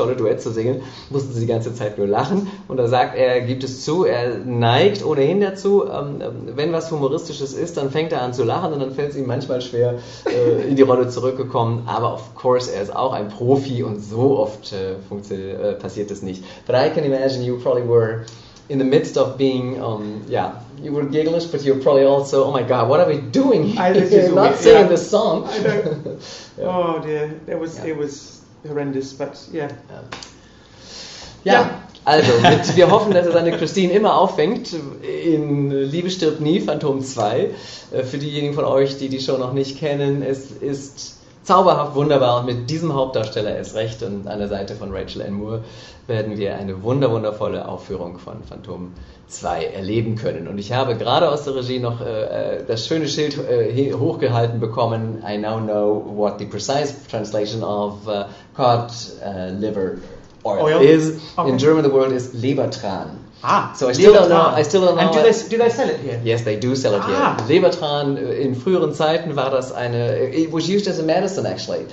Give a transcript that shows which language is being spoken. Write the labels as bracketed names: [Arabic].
[German] tolle Duett zu singen, mussten sie die ganze Zeit nur lachen. Und da sagt er, gibt es zu, er neigt ohnehin dazu, wenn was Humoristisches ist, dann fängt er an zu lachen und dann fällt es ihm manchmal schwer, in die Rolle zurückzukommen. Aber of course, er ist auch ein Profi und so oft passiert es nicht. [English] But I can imagine you probably were in the midst of being, you were gigglish, but you're probably also, oh my God, what are we doing here? Not singing the song. I know. Yeah. Oh dear, it was horrendous, but yeah. Yeah. [German] Also, wir hoffen, dass er seine Christine immer auffängt in Liebe stirbt nie, Phantom 2. Für diejenigen von euch, die die Show noch nicht kennen, es ist zauberhaft, wunderbar und mit diesem Hauptdarsteller erst recht und an der Seite von Rachel Ann Moore werden wir eine wundervolle Aufführung von Phantom 2 erleben können. Und ich habe gerade aus der Regie noch das schöne Schild hochgehalten bekommen. [English] I now know what the precise translation of cod liver oil is. Okay. In German the word is Lebertran. Ah, so I still don't know. And do they sell it here? Yes, they do sell it here. Lebertran, [German] in früheren Zeiten war das eine, [English] it was used as a medicine actually.